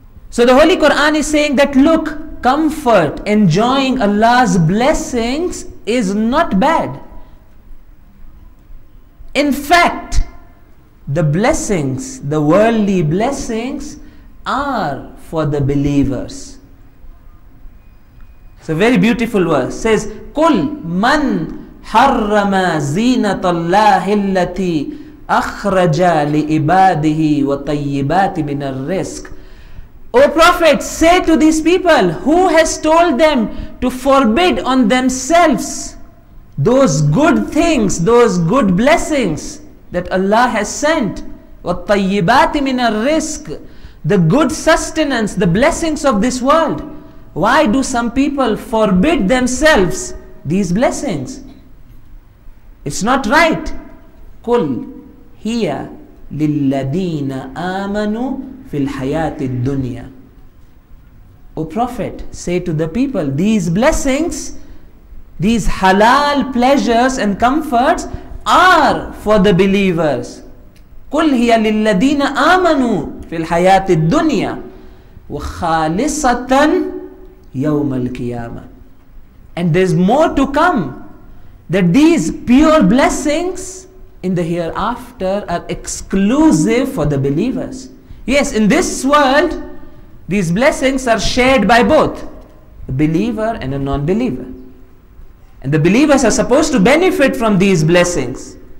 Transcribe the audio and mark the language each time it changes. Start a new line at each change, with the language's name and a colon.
English: So the Holy Quran is saying that, look, comfort, enjoying Allah's blessings is not bad. In fact, the blessings, the worldly blessings, are for the believers. It's a very beautiful verse. It says,
Arabic: قُلْ مَنْ حَرَّمَ زِينَةَ اللَّهِ الَّتِي أَخْرَجَ لِعِبَادِهِ وَطَيِّبَاتِ مِنَ الرِّزْقِ.
English: O Prophet, say to these people, who has told them to forbid on themselves those good things, those good blessings that Allah has sent?
Arabic: وَالطَّيِّبَاتِ مِنَ الرِّزْقِ,
English: the good sustenance, the blessings of this world. Why do some people forbid themselves these blessings? It's not right.
Arabic: قُلْ هِيَ لِلَّذِينَ آمَنُوا فِي الْحَيَاةِ الدُّنْيَا.
English: O Prophet, say to the people, these blessings, these halal pleasures and comforts are for the believers.
Arabic: قُلْ هِيَ لِلَّذِينَ آمَنُوا في الحياه الدنيا وخالصه يوم القيامه.
English: And there's more to come, that these pure blessings in the hereafter are exclusive for the believers. Yes, in this world these blessings are shared by both a believer and a non-believer, and the believers are supposed to benefit from these blessings.